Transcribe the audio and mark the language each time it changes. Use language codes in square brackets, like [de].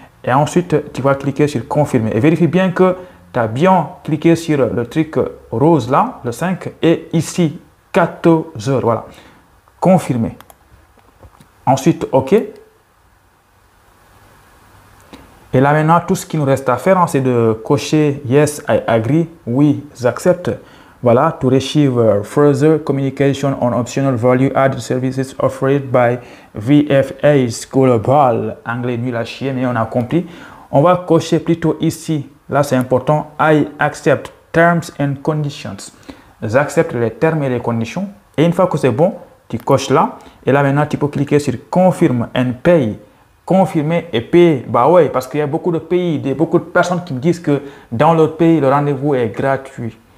[fr] Et ensuite, tu vas cliquer sur confirmer. Et vérifie bien que tu as bien cliqué sur le truc rose là, le 5, et ici, 14h. Voilà. Confirmer. Ensuite, OK. Et là maintenant, tout ce qui nous reste à faire, hein, c'est de cocher [en] Yes, I agree. [fr] Oui, j'accepte. [en] Voilà, to receive further communication on optional value added services offered by VFA School of Ball. [fr] Anglais nul à chier, mais on a compris. On va cocher plutôt ici. Là, c'est important. [en] I accept terms and conditions. [fr] J'accepte les termes et les conditions. Et une fois que c'est bon, Tu coches là. Et là, maintenant, tu peux cliquer sur [en] Confirm and Pay. [fr] Confirmer et payer. Bah ouais, parce qu'il y a beaucoup de pays, beaucoup de personnes qui me disent que dans leur pays, le rendez-vous est gratuit.